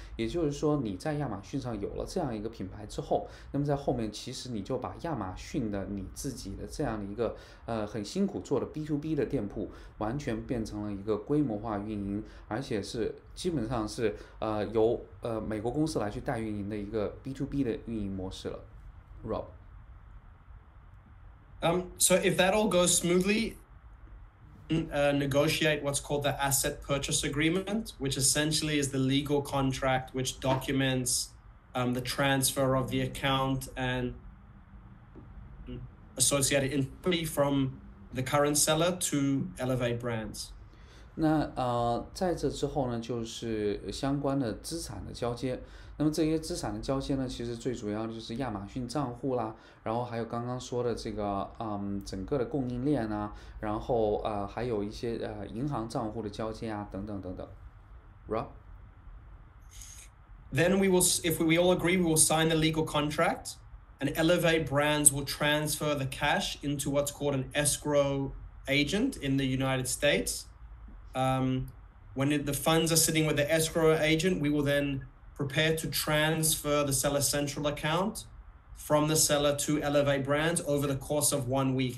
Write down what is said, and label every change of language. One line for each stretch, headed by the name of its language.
Chinese: 也就是说，你在亚马逊上有了这样一个品牌之后，那么在后面其实你就把亚马逊的你自己的这样的一个很辛苦做的 B2B 的店铺完全变成了一个规模化运营，而且是基本上是由美国公司来去代运营的一个 B2B 的运营模式了。
English: Rob。 So if that all goes smoothly, negotiate what's called the asset purchase agreement, which essentially is the legal contract which documents the transfer of the account and associated inventory from the current seller to Elevate Brands.
Chinese: 那在这之后呢，就是相关的资产的交接。那么这些资产的交接呢，其实最主要的就是亚马逊账户啦，然后还有刚刚说的这个整个的供应链啊，然后还有一些银行账户的交接啊等等等等。
English: Rob? Then we will, if we all agree, we will sign the legal contract and Elevate Brands will transfer the cash into what's called an escrow agent in the United States. When the funds are sitting with the escrow agent, we will then prepare to transfer the seller central account from the seller to Elevate Brands over the course of 1 week.